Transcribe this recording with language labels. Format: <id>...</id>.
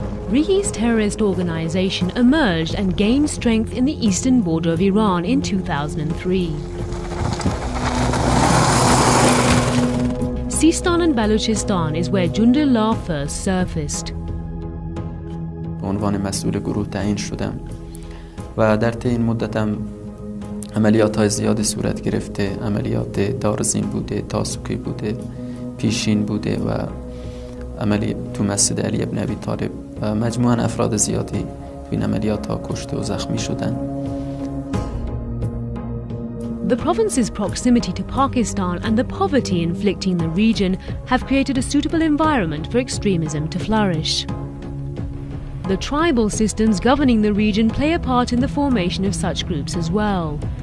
<en>Rigi's terrorist organization emerged and gained strength in the eastern border of Iran in 2003. Sistan and Balochistan is where Jundallah first surfaced.</en> <fa>به عنوان مسئول گروه تعیین شدم و در طی این مدت هم عملیات های زیاد صورت گرفته، عملیات دارزین بوده، تاسوکی بوده، پیشین بوده و عملی تو مسجد علی ابن ابی طالب و مجموعا افراد زیادی تو این عملیات ها کشته و زخمی شدند.</fa> <en>The province's proximity to Pakistan and the poverty inflicting the region have created a suitable environment for extremism to flourish. The tribal systems governing the region play a part in the formation of such groups as well.</en>